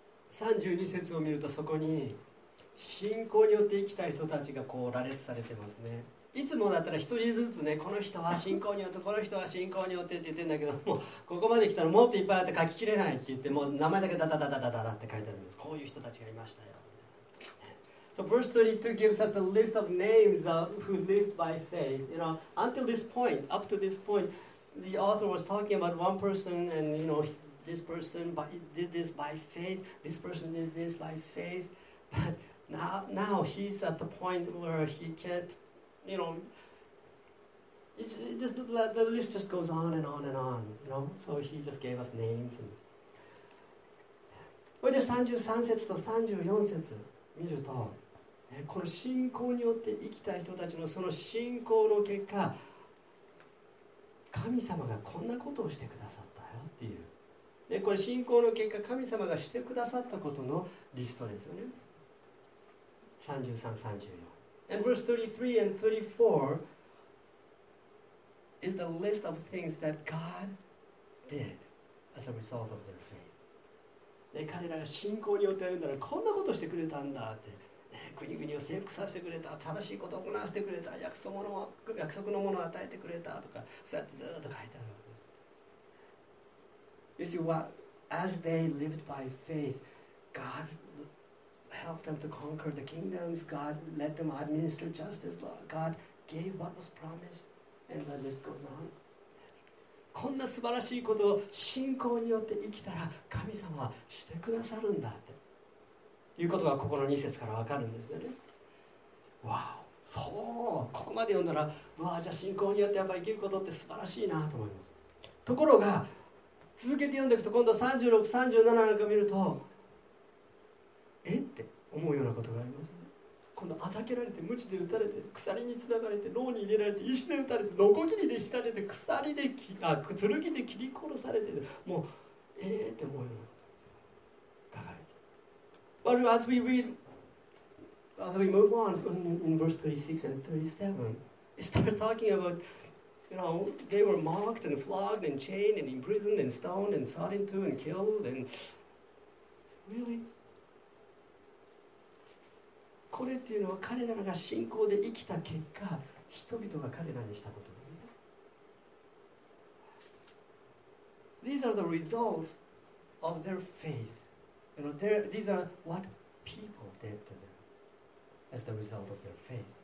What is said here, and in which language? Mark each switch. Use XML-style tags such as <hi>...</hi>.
<ja>32節を見るとそこに信仰によって生きた人たちがこう羅列されてますね。いつもだったら一人ずつね、この人は信仰によって、この人は信仰によってって言ってんだけど、もうここまで来たらもっといっぱいあって書ききれないって言って、もう名前だけダダダダダダダって書いてあるんです。こういう人たちがいましたよ。</ja> <en>So verse 32 gives us the list of names of who lived by faith. You know, until this point, up to this point, the author was talking about one person and you know, this person did this by faith, this person did this by faith. But now he's at the point where he can't, you know, the list just goes on and on and on, you know, so he just gave us names.</en> <ja>これで33節と34節見ると、この信仰によって生きた人たちのその信仰の結果、神様がこんなことをしてくださったよっていう。で、これ信仰の結果、神様がしてくださったことのリストですよね。 33、34。</ja> <en>And verse 33 and 34 is the list of things that God did as a result of their faith.</en> <ja>で、彼らが信仰によって歩んだら、こんなことしてくれたんだって、ね、国々を征服させてくれた、正しいことを行わせてくれた、約束のものを与えてくれたとか、そうやってずっと書いてあるわけです。</ja> <en>You see, as they lived by faith, GodHelp them to conquer the kingdoms. God let them administer justice. God gave what was promised. And the list goes on.</en> <ja>こんな素晴らしいことを信仰によって生きたら神様はしてくださるんだっていうことがここの2節からわかるんですよね。わあ、そう、ここまで読んだら、わあ、じゃあ信仰によってやっぱ生きることって素晴らしいなと思います。ところが続けて読んでいくと、今度36、37なんか見ると、えって思うようなことがありますね。今度あざけられて、鞭で打たれて、鎖につながれて、牢に入れられて、石で打たれて、ノコギリで引かれて、鎖で剣で切り殺されて、もうえって思うようなことが書かれて。</ja> <en>Well, as we read, as we move on in verse 36 and 37, it starts talking about, you know, they were mocked and flogged and chained and imprisoned and stoned and sawed into and killed and really.</en> <ja>これっていうのは彼らが信仰で生きた結果、人々が彼らにしたことです、ね。</ja> <en>These are the results of their faith. You know, these are what people did to them as the result of their faith.</en>